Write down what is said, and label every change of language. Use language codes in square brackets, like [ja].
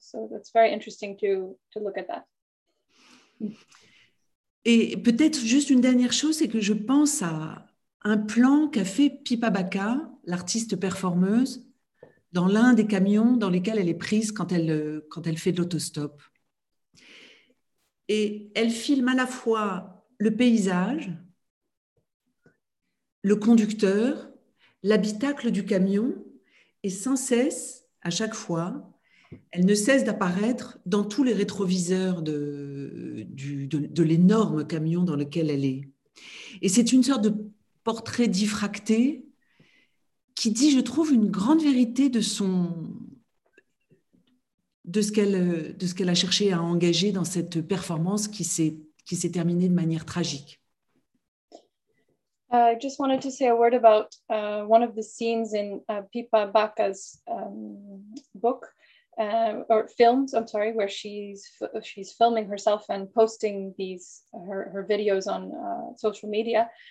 [en] So that's very interesting to look at that. [fr] Et peut-être juste une dernière chose, c'est que je pense à un plan qu'a fait Pippa Bacca, l'artiste performeuse, dans l'un des camions dans lesquels elle est prise quand elle fait de l'autostop. Et elle filme à la fois le paysage, le conducteur, l'habitacle du camion, et sans cesse, à chaque fois, elle ne cesse d'apparaître dans tous les rétroviseurs de l'énorme camion dans lequel elle est. Et c'est une sorte de portrait diffracté qui dit, je trouve, une grande vérité de ce qu'elle a cherché à engager dans cette performance qui s'est terminée de manière tragique. [en] I just wanted to say a word about one of the scenes in Pippa Bacca's book. or films, I'm sorry, where she's filming herself and posting these her videos on social media.